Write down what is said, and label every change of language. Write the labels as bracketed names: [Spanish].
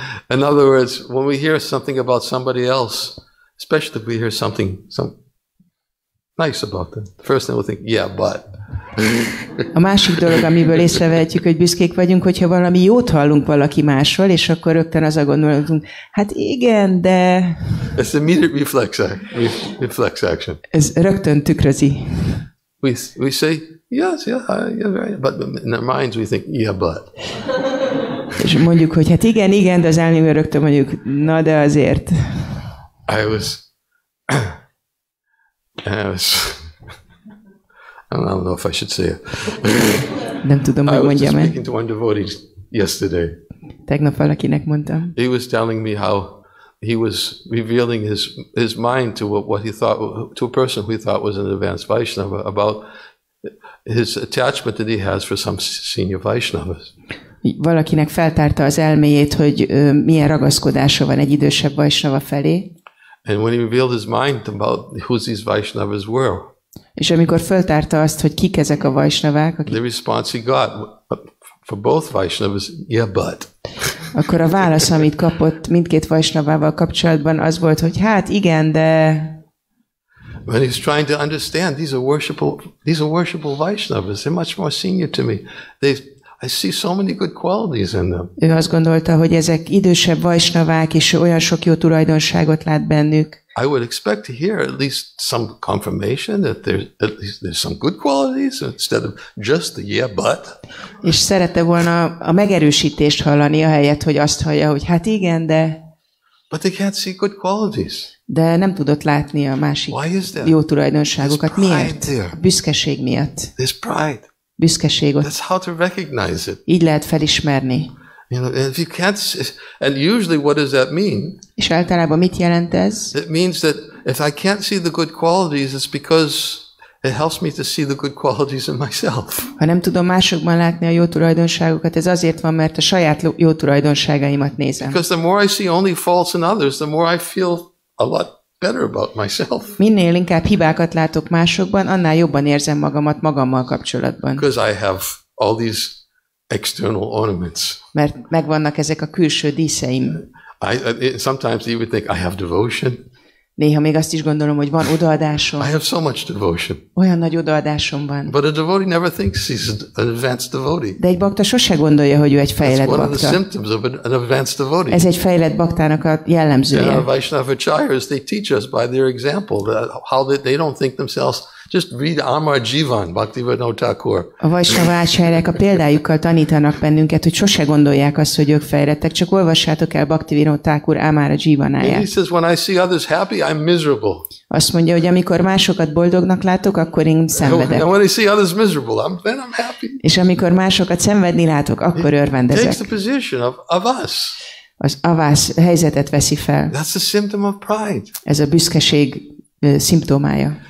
[English] In other words, when we hear something about somebody else, especially if we hear something some nice about them, the first thing we think, yeah, but. [Hungarian] A másik dolog, amiből észrevehetjük, hogy büszkék vagyunk, hogyha valami jót hallunk valaki másról, és akkor rögtön az a gondolatunk, hát igen, de... [English] It's immediate reflex action. [Hungarian] Ez rögtön tükrözi. [English] We say, yes, yeah, yeah, very, but in our minds we think, yeah, but. [Hungarian] És mondjuk, hogy hát igen, igen, de az elnémű rögtön mondjuk, na de azért. [English] I was... don't know if I should say it. [Hungarian] Nem tudom, hogy mondjam. [English] I was speaking to one devotee yesterday. [Hungarian] Tegnap valakinek mondtam. [English] He was telling me how he was revealing his mind to what he thought to a person who he thought was an advanced Vaishnava about his attachment that he has for some senior Vaishnavas. [Hungarian] Valakinek feltárta az elméjét, hogy milyen ragaszkodása van egy idősebb Vaishnava felé. [English] And when he revealed his mind about who these Vaishnavas were. [Hungarian] És amikor feltárta azt, hogy kik ezek a Vaishnavák, akik... [English] The response he got for both Vaishnavas, yeah, but. [Hungarian] Akkor a válasz, amit kapott mindkét Vaishnavával kapcsolatban, az volt, hogy hát igen, de... [English] When he's trying to understand, these are worshipful Vaishnavas. They're much more senior to me. I see so many good qualities in them. [Hungarian] Ő azt gondolta, hogy ezek idősebb Vaishnavák, és olyan sok jó tulajdonságot lát bennük. [English] I would expect to hear at least some confirmation that there's some good qualities instead of just the yeah but. [Hungarian] És szerette volna a megerősítést hallani, ahelyett, hogy azt hallja, hogy hát igen, de. [English] But they can't see good qualities. [Hungarian] De nem tudott látni a másik jó tulajdonságokat. Miért? Büszkeség miatt. [English] There's pride. [Hungarian] Büszkeségot. [English] That's how to recognize it. [Hungarian] Így lehet felismerni. [English] You know, if you can't see, and usually what does that mean? [Hungarian] És általában mit jelent ez? [English] It means that if I can't see the good qualities, it's because it helps me to see the good qualities in myself. [Hungarian] Ha nem tudom másokban látni a jó tulajdonságokat, ez azért van, mert a saját jó tulajdonságaimat nézem. [English] Because the more I see only faults in others, the more I feel a lot better about myself. [Hungarian] Minél inkább hibákat látok másokban, annál jobban érzem magamat magammal kapcsolatban. [English] Because I have all these external ornaments. [Hungarian] Mert megvannak ezek a külső díszeim. [English] Sometimes you would think I have devotion. [Hungarian] Néha még azt is gondolom, hogy van odaadásom. [English] I have so much devotion. [Hungarian] Olyan nagy odaadásom van. [English] But a devotee never thinks he's an advanced devotee. [Hungarian] De egy bakta sose gondolja, hogy ő egy fejlett bakta. [English] That's one of the symptoms of an advanced devotee. [Hungarian] Ez egy fejlett baktának a jellemzője. [English] Yeah, Vaishnava acharyas, they teach us by their example that how they don't think themselves. Just read Amar Jivan, Bhaktivinoda Thakur. [Hungarian] A Vaishnava acharyák a példájukkal tanítanak bennünket, hogy sose gondolják azt, hogy ők fejlettek, csak olvassátok el Bhaktivinoda Thakur Amar Jivanáját. [English] He says, when I see others happy, I'm miserable. [Hungarian] Azt mondja, hogy amikor másokat boldognak látok, akkor én szenvedek. [English] And when I see others miserable, then I'm happy. [Hungarian] És amikor másokat szenvedni látok, akkor örvendezek. [English] Takes the position of us. [Hungarian] Az avász helyzetet veszi fel. [English] That's a symptom of pride. [Hungarian] Ez a büszkeség szimptomája.